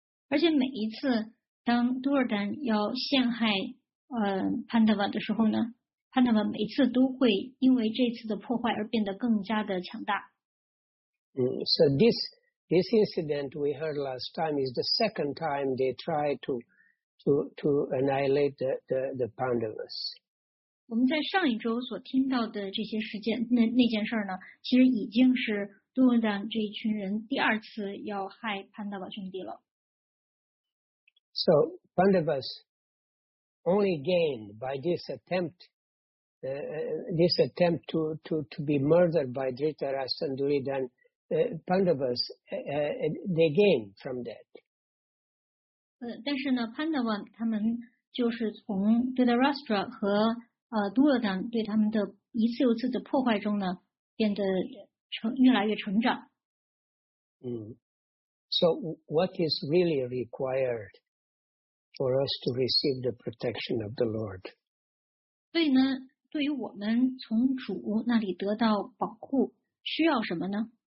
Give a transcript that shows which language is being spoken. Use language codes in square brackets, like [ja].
[zh] 而且每一次当 Duryodhana 要陷害Pandava 的时候呢， Pandava 每一次都会因为这次的破坏而变得更加的强大。 [en] So this incident we heard last time is the second time they tried to annihilate the Pandavas. [zh] 我们在上一周所听到的这些事件 那件事呢其实已经是杜鲁丹这一群人第二次要害潘达瓦兄弟了。 [en] So, Pandavas only gained by this attempt to be murdered by Dhritarashtra and Duryodhana, Pandavas, they gained from that. [zh] 但是呢潘达瓦他们就是从 Dhritarashtra 和杜若丹对他们的一次又次的破坏中呢，变得越来越成长。 [en] So what is really required for us to receive the protection of the Lord? [zh] 所以呢，对于我们从主那里得到保护，需要什么呢